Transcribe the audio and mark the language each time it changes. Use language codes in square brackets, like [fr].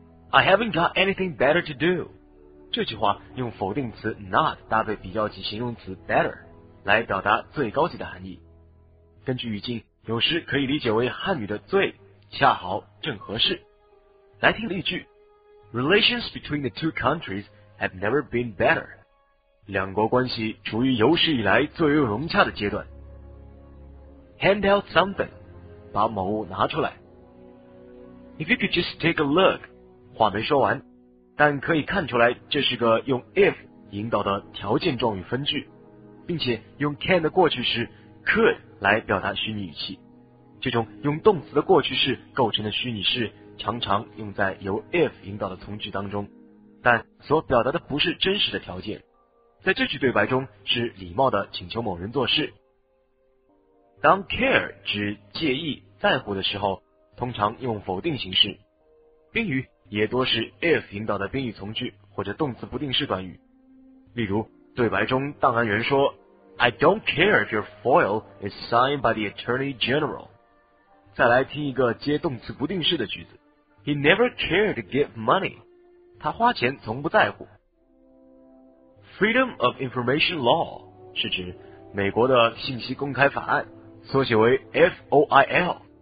[en] I haven't got anything better to do. [zh] 这句话用否定词 not 搭配比较级形容词 better 来表达最高级的含义。根据语境，有时可以理解为汉语的最恰好正合适。来听例句。 [en] Relations between the two countries have never been better. [zh] 两国关系处于有史以来最为融洽的阶段。 [en] Hand out something, [zh] 把某物拿出来。 [en] If you could just take a look, [zh] 话没说完，但可以看出来这是个用 if 引导的条件状语分句，并且用 can 的过去式 could 来表达虚拟语气。这种用动词的过去式构成的虚拟式常常用在由 if 引导的从句当中，但所表达的不是真实的条件。在这句对白中是礼貌地请求某人做事。当 care 指介意在乎的时候，通常用否定形式，宾语也多是 if 引导的宾语从句或者动词不定式短语。例如对白中档案员说 [en] I don't care if your FOIL is signed by the Attorney General。 [zh] 再来听一个接动词不定式的句子。 [en] He never cared to give money. [zh] 他花钱从不在乎。 Freedom of Information Law 是指美国的信息公开法案，缩写为 FOIL。